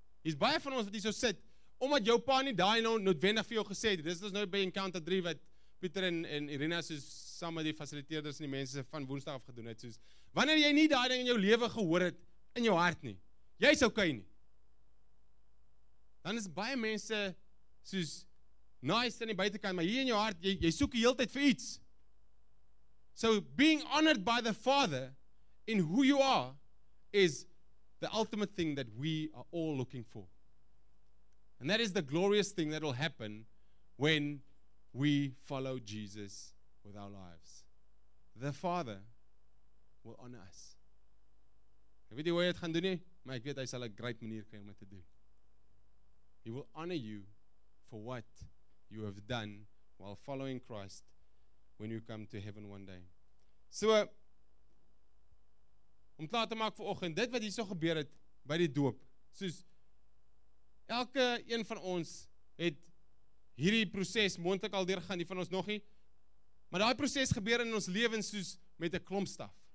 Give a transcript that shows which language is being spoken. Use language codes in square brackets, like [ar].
[af] Hier is baie van ons wat hier so sit, omdat jou pa nie daai nou noodwendig vir jou gesê het, dit is nou by Encounter 3 wat Pieter en Irina soos saam met die faciliteerders en die mense van woensdag afgedoen het, soos, wanneer jy nie daai ding in jou leven gehoor het, in jou hart nie, jy is okay nie, dan is baie mense soos nice in die buitenkant, maar hier in jou hart, jy soek die hele tyd vir iets. [en] So being honored by the Father in who you are is the ultimate thing that we are all looking for. And that is the glorious thing that will happen when we follow Jesus with our lives. The Father will honor us. [af] Ek weet nie hoe jy het gaan doen nie, maar ek weet hy sal 'n great manier kry om dit te doen. [en] He will honor you for what you have done while following Christ when you come to heaven one day. [af] So, om klaar te maak vir oggend, dit wat hier so gebeur het by die doop, soos elke een van ons het hierdie proses moontlik al deurgegaan, die van ons nog nie, maar daai proses gebeur in ons lewens soos met 'n klomp staf.